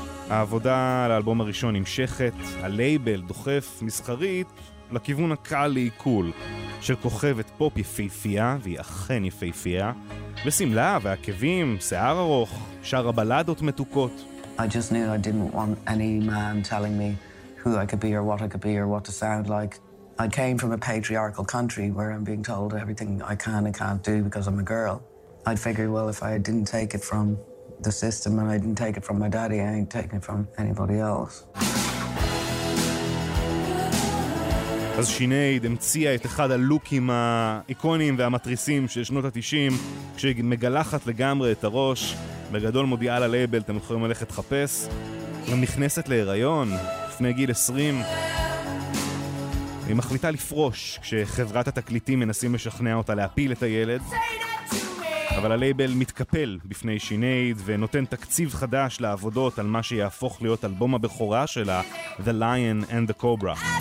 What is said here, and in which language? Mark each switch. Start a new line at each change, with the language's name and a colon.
Hebrew: העבודה לאלבום הראשון נמשכת, הלייבל דוחף מסחרית לכיוון הקל לעיכול, של כוכבת פופ יפהפייה, והיא אכן יפהפייה, בשמלה ועקבים, שיער ארוך, שער הבלדות מתוקות.
English: I just knew I didn't want any man telling me who I could be or what I could be or what to sound like. I came from a patriarchal country where I'm being told everything I can and can't do because I'm a girl. I'd figure, well, if I didn't take it from the system and I didn't take it from my daddy, I ain't taking it from anybody else.
Hebrew: אז שינייד המציאה את אחד הלוקים האיקונים והמטריסים של שנות ה-90, כשהיא מגלחת לגמרי את הראש, בגדול מודיעה ללייבל, אתם יכולים ללכת חפש, ונכנסת להיריון. מגיל 20 היא מחליטה לפרוש כשחברת התקליטים מנסים לשכנע אותה להפיל את הילד, אבל הלייבל מתקפל בפני שינייד ונותן תקציב חדש לעבודות על מה שיהפוך להיות אלבום הבכורה שלה, The Lion and the Cobra.